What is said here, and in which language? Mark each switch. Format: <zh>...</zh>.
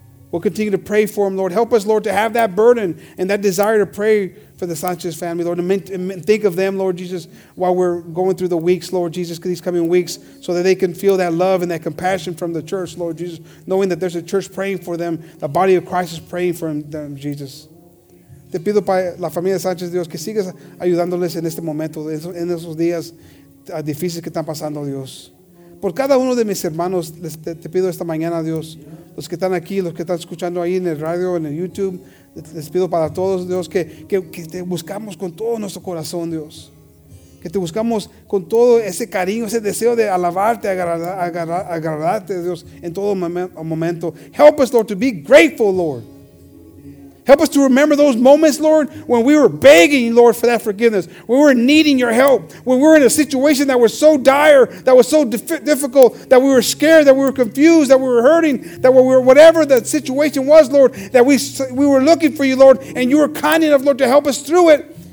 <en>We'll continue to pray for them, Lord. Help us, Lord, to have that burden and that desire to pray for the Sanchez family, Lord, and think of them, Lord Jesus, while we're going through the weeks, Lord Jesus, these coming weeks, so that they can feel that love and that compassion from the church, Lord Jesus, knowing that there's a church praying for them, the body of Christ is praying for them, Jesus.</en> <es>Te pido para la familia Sánchez, Dios, que sigas ayudándoles en este momento, en esos días difíciles que están pasando, Dios. Por cada uno de mis hermanos, te pido esta mañana, Dios, los que están aquí, los que están escuchando ahí en el radio, en el YouTube, les pido para todos, Dios, que te buscamos con todo nuestro corazón, Dios. Que te buscamos con todo ese cariño, ese deseo de alabarte, agradarte, Dios, en todo momento.</es> <en>Help us, Lord, to be grateful, Lord. Help us to remember those moments, Lord, when we were begging, Lord, for that forgiveness. When we were needing your help. When we were in a situation that was so dire, that was so difficult, that we were scared, that we were confused, that we were hurting, that we were whatever the situation was, Lord, that we were looking for you, Lord, and you were kind enough, Lord, to help us through it.</en>